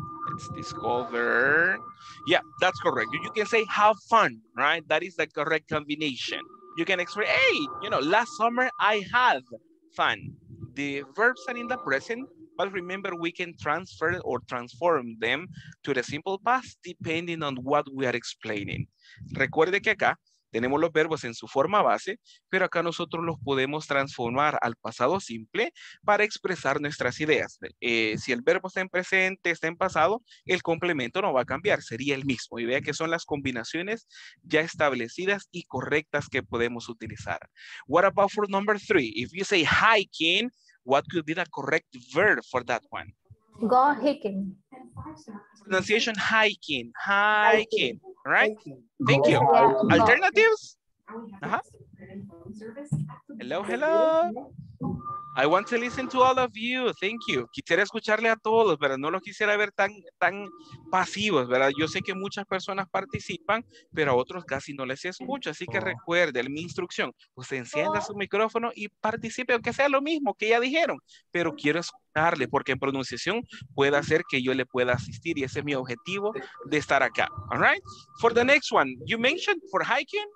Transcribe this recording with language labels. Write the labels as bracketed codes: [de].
[en] Let's discover. Yeah, that's correct. You can say have fun, right? That is the correct combination. You can express, hey, you know, last summer I had fun. The verbs are in the present, But remember, we can transfer or transform them to the simple past depending on what we are explaining. [es] Recuerde que acá tenemos los verbos en su forma base, pero acá nosotros los podemos transformar al pasado simple para expresar nuestras ideas. Si el verbo está en presente, está en pasado, el complemento no va a cambiar, sería el mismo. Y vea que son las combinaciones ya establecidas y correctas que podemos utilizar. [en] What about for number three? If you say hiking, what could be the correct verb for that one? Go hiking. Pronunciation hiking, hiking, right? Thank you. Alternatives? Uh-huh. Hello, hello. I want to listen to all of you. Thank you. [es] Quisiera escucharle a todos, pero no los quisiera ver tan pasivos, ¿verdad? Yo sé que muchas personas participan, pero a otros casi no les escucho. Así que recuerde mi instrucción. Usted encienda su micrófono y participe, aunque sea lo mismo que ya dijeron. Pero quiero escucharle, porque en pronunciación puede hacer que yo le pueda asistir. Y ese es mi objetivo de estar acá. [en] All right? For the next one, you mentioned for hiking.